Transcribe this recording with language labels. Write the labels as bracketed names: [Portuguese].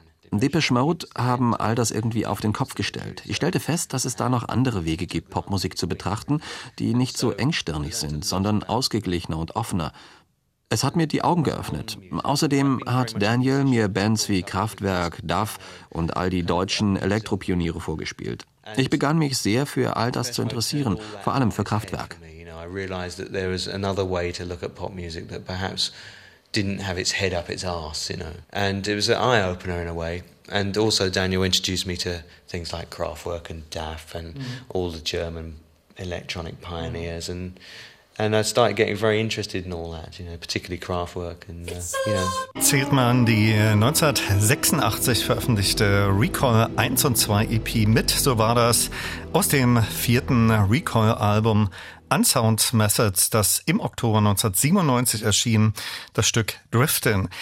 [German] Depeche Mode haben all das irgendwie auf den Kopf gestellt. Ich stellte fest, dass es da noch andere Wege gibt, Popmusik zu betrachten, die nicht so engstirnig sind, sondern ausgeglichener und offener. Es hat mir die Augen geöffnet. Außerdem hat Daniel mir Bands wie Kraftwerk, Duff und all die deutschen Elektropioniere vorgespielt. Ich begann mich sehr für all das zu interessieren, vor allem für Kraftwerk. [English] I realized that there was another way to look at pop music that perhaps didn't have its head up its ass, you know. And it was an eye opener in a way. And also Daniel introduced me to things like Kraftwerk and Daft and all the German electronic pioneers and I started getting very interested in all that, you know, particularly Kraftwerk and you know. [German] Zählt man die 1986 veröffentlichte Recall 1 und 2 EP mit, so war das aus dem 4. Recall Album Unsound Methods, das im Oktober 1997 erschien, das Stück Driftin.